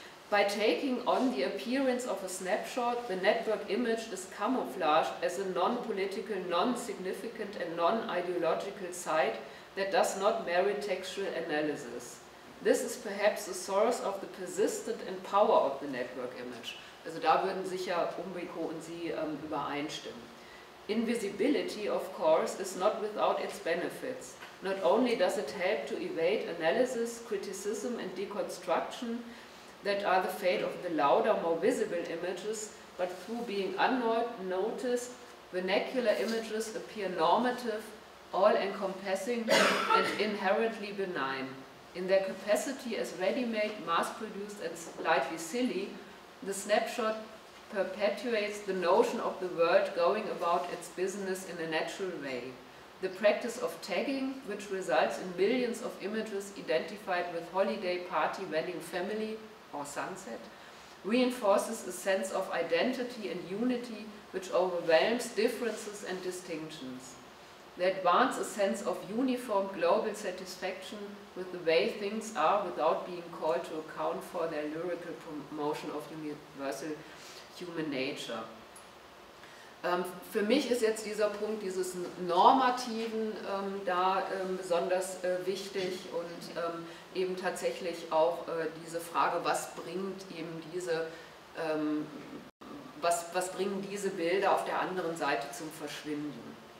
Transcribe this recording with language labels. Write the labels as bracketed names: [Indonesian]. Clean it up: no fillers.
[English] By taking on the appearance of a snapshot, the network image is camouflaged as a non-political, non-significant and non-ideological site that does not merit textual analysis. This is perhaps the source of the persistence and power of the network image. [German] Also da würden sicher Umbrico und Sie übereinstimmen. [English] Invisibility, of course, is not without its benefits. Not only does it help to evade analysis, criticism and deconstruction that are the fate of the louder, more visible images, but through being unnoticed, vernacular images appear normative, all-encompassing and inherently benign. In their capacity as ready-made, mass-produced and slightly silly, the snapshot perpetuates the notion of the world going about its business in a natural way. The practice of tagging, which results in millions of images identified with holiday, party, wedding, family, or sunset, reinforces a sense of identity and unity which overwhelms differences and distinctions. They advance a sense of uniform global satisfaction with the way things are without being called to account for their lyrical promotion of universal human nature. [German] Für mich ist jetzt dieser Punkt dieses Normativen da besonders wichtig und eben tatsächlich auch diese Frage, was bringt eben diese, was bringen diese Bilder auf der anderen Seite zum Verschwinden.